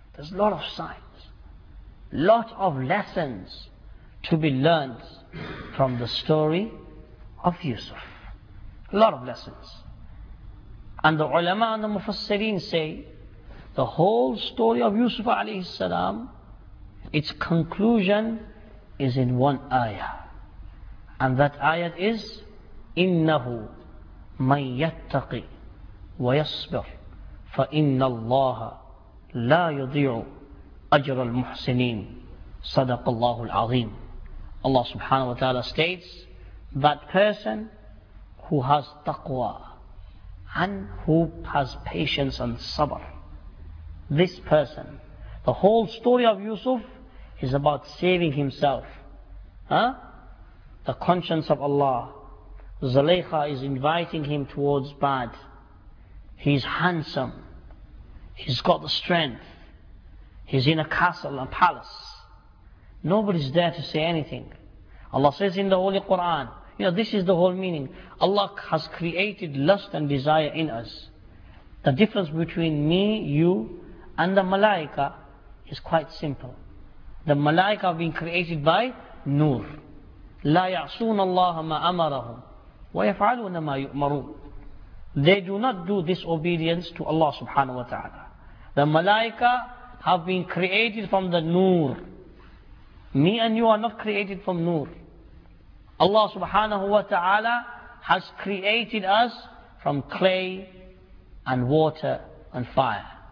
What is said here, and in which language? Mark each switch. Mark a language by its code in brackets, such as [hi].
[en] There's a lot of signs, lot of lessons to be learned from the story of Yusuf. A lot of lessons. And the ulama and the mufassireen say, the whole story of Yusuf alayhi salam, its conclusion is in one ayah. [ar] And that ayah is, إِنَّهُ مَنْ يَتَّقِ وَيَصْبِرْ فَإِنَّ اللَّهَ لَا يُضِيعُ أَجْرَ الْمُحْسِنِينَ صَدَقَ اللَّهُ الْعَظِيمُ. [en] Allah subhanahu wa ta'ala states, that person who has taqwa and who has patience and sabr, this person, the whole story of Yusuf is about saving himself. Huh? The conscience of Allah. Zalaikha is inviting him towards bad. He's handsome. He's got the strength. He's in a castle, a palace. Nobody's there to say anything. Allah says in the Holy Quran, you know, this is the whole meaning. Allah has created lust and desire in us. The difference between me, you, and the malaika is quite simple. The malaika have been created by Nur. [ar] لا يعصون الله ما أمرهم ويفعلون ما يؤمرون. [en] they do not do disobedience to Allah subhanahu wa ta'ala. The malaika have been created from the nur. Me and you are not created from nur. Allah subhanahu wa ta'ala has created us from clay and water and fire.